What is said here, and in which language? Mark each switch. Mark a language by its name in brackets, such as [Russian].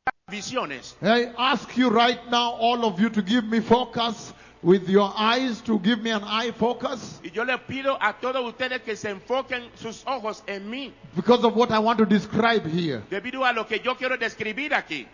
[English] I ask you right now, all of you, to give me focus, with your eyes to give me an eye focus. [Spanish] Y yo le pido a todos ustedes que se enfoquen sus ojos en mí. [English] Because of what I want to describe here. [Spanish] Debido a lo que yo quiero describir aquí.